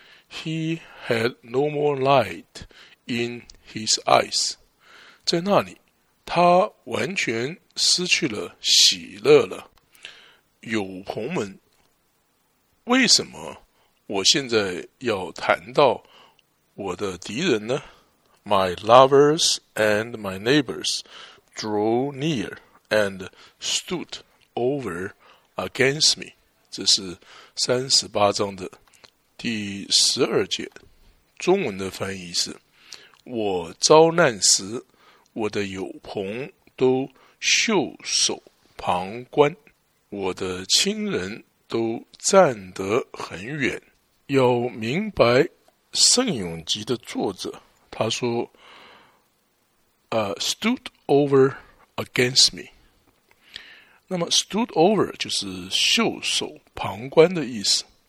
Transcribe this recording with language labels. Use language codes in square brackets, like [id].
[en] He had no more light in his eyes， [zh] 在那里他完全失去了喜乐了。友朋们，为什么我现在要谈到我的敌人呢？ [en] My lovers and my neighbors drew near and stood over against me， [zh] 这是38章的第12节。中文的翻译是，我遭难时，我的友朋都袖手旁观，我的亲人都站得很远。要明白圣咏集的作者，他说 [en] stood over against me， [zh] 那么 stood over 就是袖手旁观的意思。